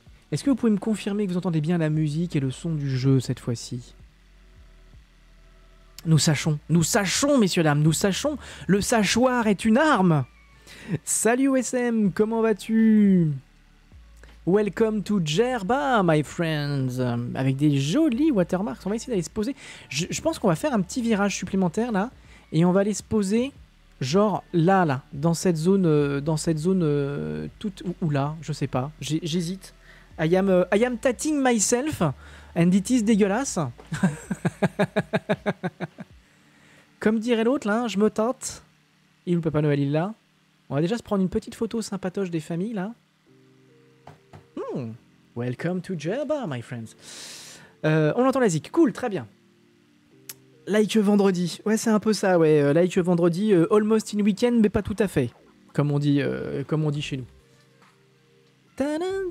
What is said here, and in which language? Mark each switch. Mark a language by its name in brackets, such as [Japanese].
[French] Est-ce que vous pouvez me confirmer que vous entendez bien la musique et le son du jeu cette fois-ci? Nous sachons, messieurs, dames, nous sachons. Le sachoir est une arme. Salut, OSM, comment vas-tu? [English] Welcome to Gerba, my friends. [French] Avec des jolis watermarks. On va essayer d'aller se poser. Je pense qu'on va faire un petit virage supplémentaire, là. Et on va aller se poser, genre, là, dans cette zone toute... Ou là, je sais pas. J'hésite. [English] I am tatting myself. And it is dégueulasse. [French] Comme dirait l'autre, là, je me tente. Et où Papa Noël, il est là. On va déjà se prendre une petite photo sympatoche des familles, là. [English] Welcome to Gerba, my friends. [French] On entend la zik. Cool, très bien. Like vendredi. Ouais, c'est un peu ça, ouais. Like vendredi, [English] almost in weekend, [French] mais pas tout à fait. Comme on dit chez nous. Ta-dum.